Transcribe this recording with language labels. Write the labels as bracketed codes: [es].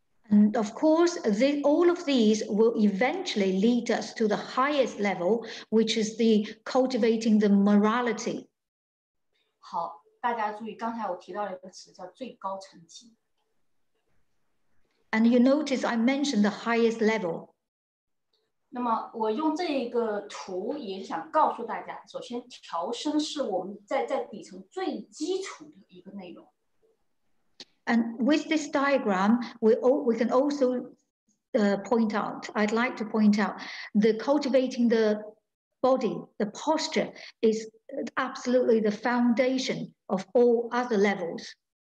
[en] And of course, all of these will eventually lead us to the highest level, which is the cultivating the morality. [zh] 好，大家注意，刚才我提到了一个词，叫最高层级。 [en] And you notice I mentioned the highest level. [zh] 那么我用这个图也想告诉大家，首先调身是我们在底层最基础的一个内容。 [en] And with this diagram, we can also point out, I'd like to point out, the cultivating the body, the posture, is absolutely the foundation of all other levels.